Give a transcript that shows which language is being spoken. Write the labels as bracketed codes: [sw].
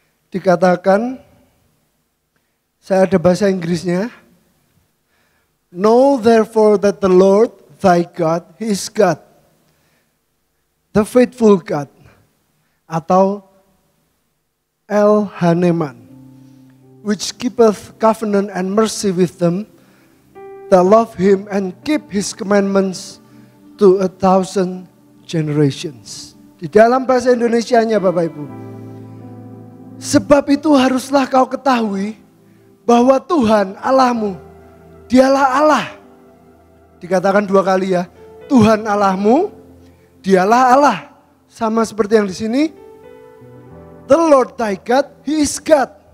[id] Dikatakan, saya ada bahasa Inggrisnya. [en] Know therefore that the Lord thy God, he is God, the faithful God, atau El Haneman, which keepeth covenant and mercy with them that love him and keep his commandments to 1,000 generations. [id] Di dalam bahasa Indonesianya, Bapak Ibu, sebab itu haruslah kau ketahui bahwa Tuhan Allahmu, Dialah Allah. Dikatakan dua kali ya. Tuhan Allahmu, Dialah Allah. Sama seperti yang di sini. [en] The Lord thy God, he is God.